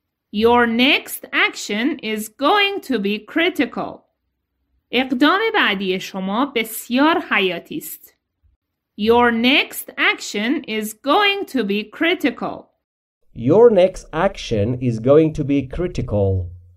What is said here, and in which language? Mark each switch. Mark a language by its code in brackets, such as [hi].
[en] Your next action is going to be critical. [fa] اقدام بعدی شما بسیار حیاتی است. [en] Your next action is going to be critical. Your next action is going to be critical.